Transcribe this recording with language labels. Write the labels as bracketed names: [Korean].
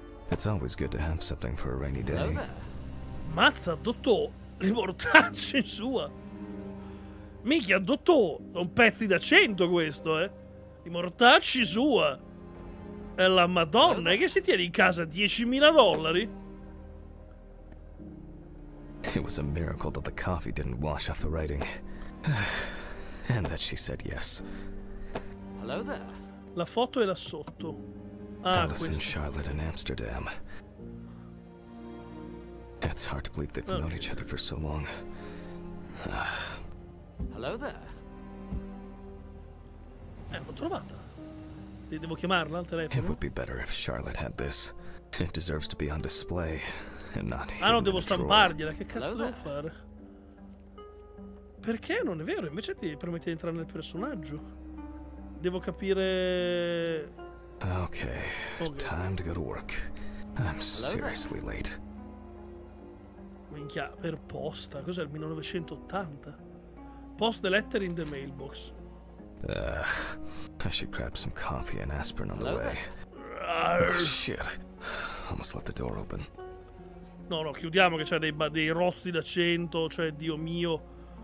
[English] It's always good to have something for a rainy day. Hello there. [Italian] Mazza, dottò, li mortacci in sua. Minchia, dottò, un pezzo da 100 questo, eh? I mortacci sua. E la Madonna, che si tiene in casa $10,000? [English] It was a miracle that the coffee didn't wash off the writing. And that she said yes. Hello there. [Italian] La foto è là sotto. Ah, [English] Alice and Charlotte in Amsterdam. It's hard to believe they've known each other for so long. Hello there. [Italian] L'ho trovata. Devo chiamarla al telefono. [English] It would be better if Charlotte had this. It deserves to be on display and not here. [Italian] Ah, non devo stampargliela. Che cazzo devo fare? Perché non è vero? Invece ti permette di entrare nel personaggio. Devo capire. [English] Okay. Time to go to work. I'm seriously late. [Italian] Minchia, per posta. Cos'è il 1980? [English] Post the letter in the mailbox. I should grab some coffee and aspirin on the way. Shit. Almost left the door open. [Italian] No, no, chiudiamo che c'è dei rotti da 100, cioè Dio mio.